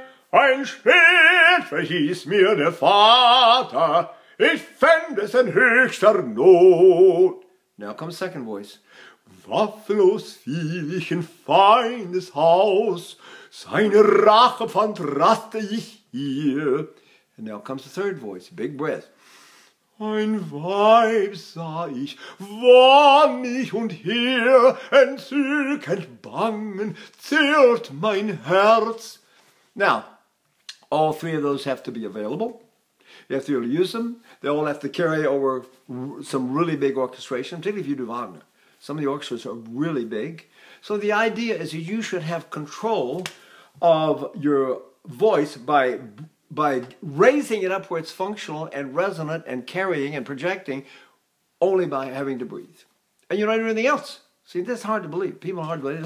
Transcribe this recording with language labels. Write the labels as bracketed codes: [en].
[de] Ein Schwert verhieß mir der Vater, ich fände es in höchster Not. [en] Now comes second voice. [de] Waffenlos fiel ich in feindes Haus, seine Rache fand, raste ich hier. [en] And now comes the third voice, big breath. [de] Ein Weib sah ich, wonnig und hehr, entzückend bangen, zirrt mein Herz. [en] Now, all 3 of those have to be available. You have to be able to use them. They all have to carry over some really big orchestration, particularly if you do Wagner. Some of the orchestras are really big. So the idea is that you should have control of your voice by raising it up where it's functional and resonant and carrying and projecting only by having to breathe. And you don't do anything else. See, this is hard to believe. People are hard to believe.